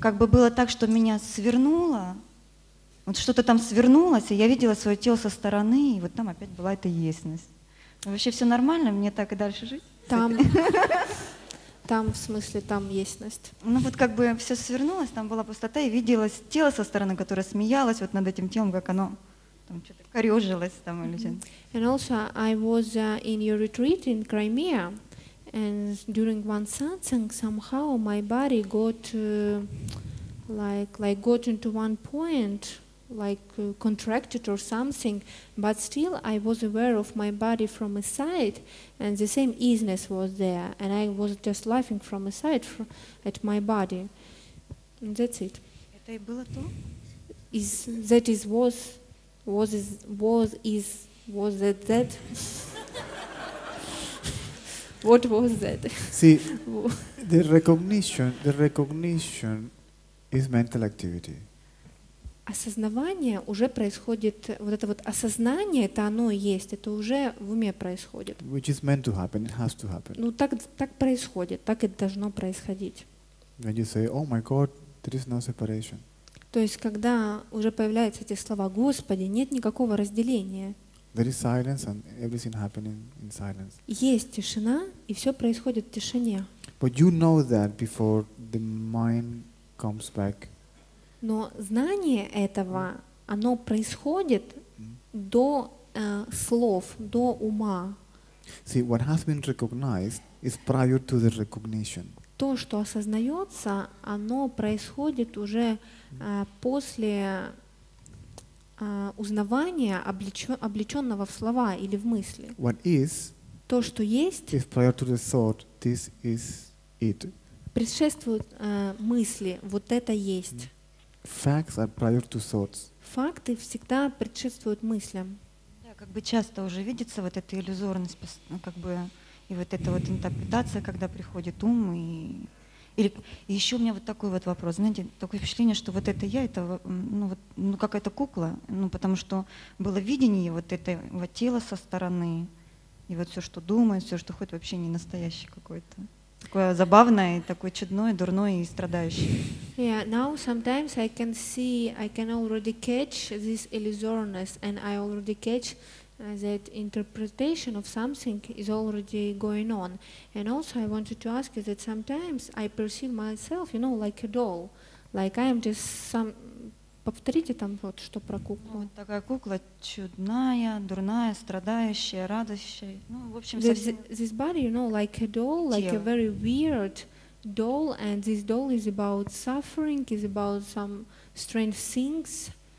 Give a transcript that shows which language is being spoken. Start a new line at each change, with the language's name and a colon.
Russian: Как бы было так, что меня свернуло, вот что-то там свернулось, и я видела свое тело со стороны, и вот там опять была эта естьность. Вообще все нормально, мне так и дальше жить? Там. Там, в смысле, там естьность. Ну вот как бы все свернулось, там была пустота, и виделось тело со стороны, которое смеялось вот над этим телом, как оно там что-то корежилось там или что-то.
English: And also, I was in your retreat in Crimea, and during one satsang, somehow my body got like got into one point, like contracted or something, but still I was aware of my body from a side, and the same easiness was there, and I was just laughing from a side at my body. And that's it.
Russian: Это и было то?
English: Is that is was that that? What was that? See, the recognition is mental activity.
Russian: Осознавание уже происходит, вот это вот осознание, это оно и есть, это уже в уме происходит.
English: Which is meant to happen, it has to happen.
Russian: Ну так происходит, так и должно происходить.
English: When you say, oh my God, there is no separation.
Russian: То есть когда уже появляются эти слова, Господи, нет никакого разделения.
English: There is silence and everything happening in silence.
Russian: Есть тишина, и все происходит в тишине.
English: But you know that before the mind comes back.
Russian: Но знание этого, оно происходит до слов, до ума.
English: See, what has been recognized is prior to the recognition.
Russian: То, что осознается, оно происходит уже после узнавания, облеченного в слова или в мысли.
English: What is,
Russian: то, что есть,
English: is prior to the thought, this is it.
Russian: Предшествует мысли, вот это есть.
English: Facts are prior to thoughts.
Russian: Факты всегда предшествуют мыслям. Да, как бы часто уже видится вот эта иллюзорность, как бы, и вот эта вот интерпретация, когда приходит ум, и еще у меня вот такой вот вопрос, знаете, такое впечатление, что вот это я, это, ну, вот, ну, какая-то кукла, ну, потому что было видение вот этого тела со стороны, и вот все, что думает, все, что ходит, вообще не настоящий какой-то. Такое забавное, такое чудное, дурное и страдающее.
English: Yeah, now sometimes I can see, I can already catch this illusoriness, and I already catch that interpretation of something is already going on. And also I wanted to ask you that sometimes I perceive myself, you know, like a doll, like I am just some
Russian: Повторите там вот, что про куклу. Вот такая кукла чудная, дурная, страдающая, радующая. Ну, в общем, совсем...
English: This body, you know, like a doll, like a very weird doll, and this doll is about suffering, is about some strange things.